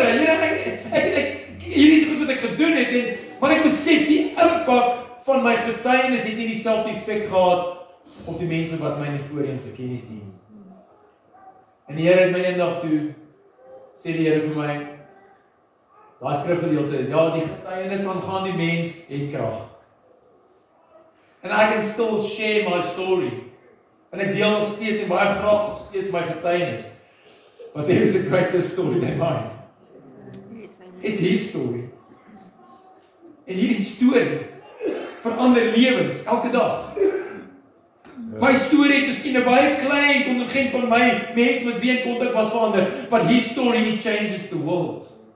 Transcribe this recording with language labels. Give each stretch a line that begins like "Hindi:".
Afrikaans: Here, ek hierdie is goed wat ek gedoen het en maar ek besef die impak van my getuienis het nie dieselfde effek gehad op die mense wat my nie voorheen geken het nie. En die Here het my eendag toe sê die Here vir my daai skrifgedeelte, ja, die getuienis aangaan die mens het krag.
English: And I can still share my story.
Afrikaans: En ek deel nog steeds en baie graag nog steeds my getuienis.
English: But there is a greater story than mine. It's his story.
Afrikaans: En hierdie storie verander lewens elke dag.
English: My story
Afrikaans: het miskien 'n baie klein kontingent van my mense met wie ek kontak was verander,
English: but his story he changes the world.